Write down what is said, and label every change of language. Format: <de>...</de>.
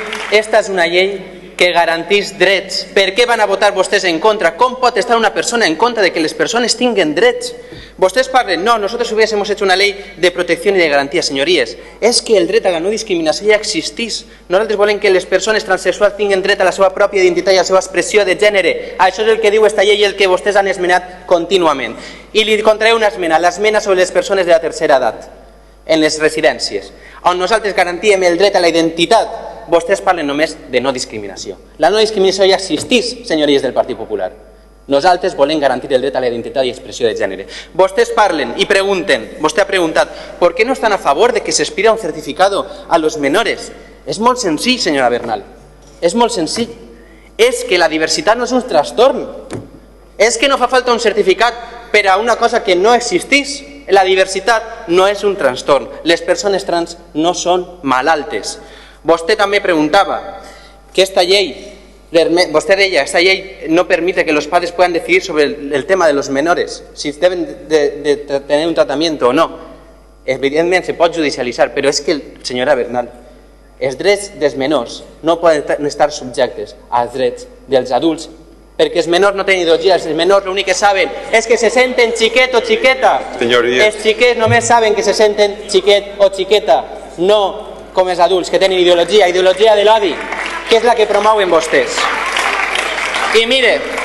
<ca>Esta és una llei que garantís drets. Per què van a votar vostès en contra? Com pot estar una persona en contra de que les persones tinguin drets? Vostès parlen, no, nosaltres</ca> <es>hubiésemos hecho una ley de protección y de garantía, señorías.</es> <ca>Es que el dret a la no discriminació ja existís. Nosaltres volem que les persones transsexuals tinguin dret a la seva pròpia identitat i a la seva expressió de gènere. Això és el que diu esta llei i el que vostès han esmenat contínuament. I li contraré una esmena, l'esmena sobre les persones de la tercera edat en les residències. On nosaltres garantíem el dret a la identitat, vostès parlen només de no discriminació. La no discriminació ja existís, senyories del Partit Popular. Nosaltres volem garantir el dret a la identitat i expressió de gènere. Vostès parlen i pregunten, vostè ha preguntat,</ca> <es>¿por qué no estan a favor de que s'expira un certificado a los menores?</es> <ca>És molt senzill, senyora Bernal. És molt senzill. És que la diversitat no és un trastorn. És que no fa falta un certificat per a una cosa que no existís. La diversitat no és un trastorn. Les persones trans no són malaltes. Vostè també preguntava que esta llei,</ca> <es>vostè deia, esta llei no permite que los padres puedan decidir sobre el tema de los menores, si deben de tener un tratamiento o no.</es> <ca>Evidentment se pot judicialitzar, però és que, senyora Bernal, els drets dels menors no poden estar subjectes als drets dels adults, perquè els menors no tenen ideologia, els menors l'únic que saben és que se senten xiquet o xiqueta. Senyoria. Els xiquets només saben que se senten xiquet o xiqueta, no com els adults, que tenen ideologia, ideologia de l'odi, que és la que promouen vostès. I mire,</ca>